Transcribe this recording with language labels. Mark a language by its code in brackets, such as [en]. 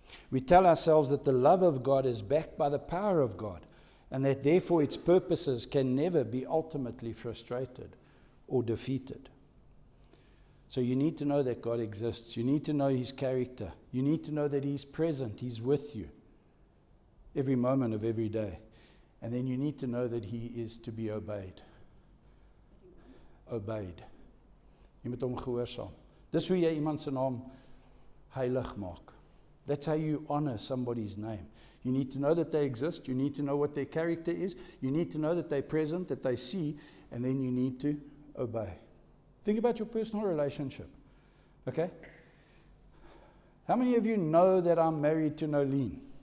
[en] We tell ourselves that the love of God is backed by the power of God and that therefore its purposes can never be ultimately frustrated or defeated. So you need to know that God exists. You need to know His character. You need to know that He's present. He's with you every moment of every day. And then you need to know that He is to be obeyed. [af] Obeyed. Jy moet hom gehoorsaam. Dis hoe jy iemand se naam heilig maak. [en] That's how you honor somebody's name. You need to know that they exist. You need to know what their character is. You need to know that they're present, that they see. And then you need to obey. Think about your personal relationship. Okay? How many of you know that I'm married to Nolene?